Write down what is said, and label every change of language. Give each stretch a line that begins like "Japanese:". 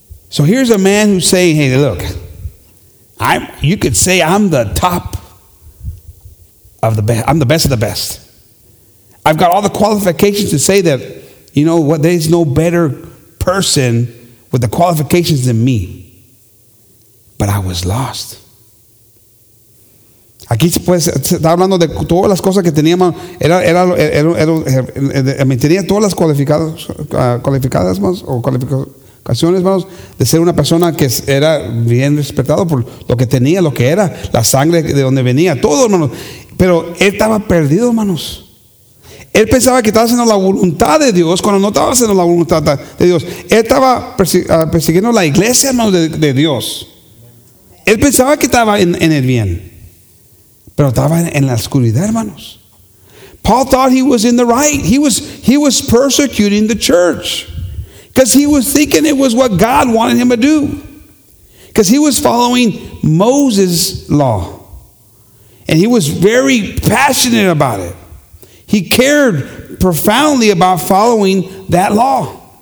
English: So here's a man who's saying, hey, look, you could say I'm the top of the best. I'm the best of the best. I've got all the qualifications to say that, you know what, there's no better person with the qualifications than me. But I was lost.
Spanish: Aquí se está hablando de todas las cosas que tenía, tenía todas las cualificadas o cualificaciones, hermanos, de ser una persona que era bien respetado por lo que tenía, lo que era, la sangre de donde venía, todo, hermanos. Pero él estaba perdido, hermanos. Él pensaba que estaba haciendo la voluntad de Dios cuando no estaba haciendo la voluntad de Dios. Él estaba persiguiendo la iglesia, hermanos, de Dios. Él pensaba que estaba en el bien, pero estaba en la oscuridad, hermanos.
English: Paul thought he was in the right. He was persecuting the church because he was thinking it was what God wanted him to do, because he was following Moses' law, and he was very passionate about it. He cared profoundly about following that law.